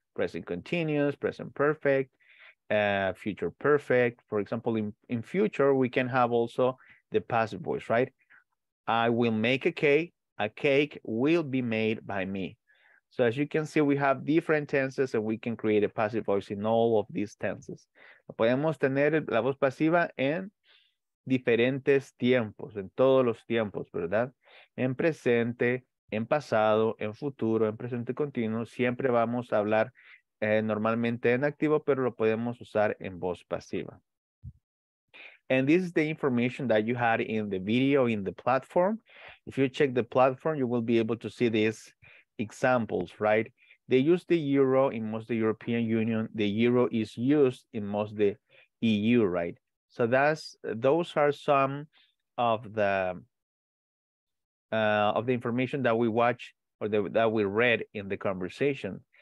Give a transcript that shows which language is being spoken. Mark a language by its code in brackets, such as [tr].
[en] Present continuous, present perfect, future perfect. For example, in future, we can have also the passive voice, right? I will make a cake. A cake will be made by me. So as you can see, we have different tenses and we can create a passive voice in all of these tenses. [es] Podemos tener la voz pasiva en diferentes tiempos, en todos los tiempos, ¿verdad? En presente, en pasado, en futuro, en presente continuo. Siempre vamos a hablar normalmente en activo, pero lo podemos usar en voz pasiva. [en] And this is the information that you had in the video in the platform. If you check the platform, you will be able to see these examples, right? They use the euro in most of the European Union. The euro is used in most of the EU, right? So those are some of the information that we watch or that we read in the conversation.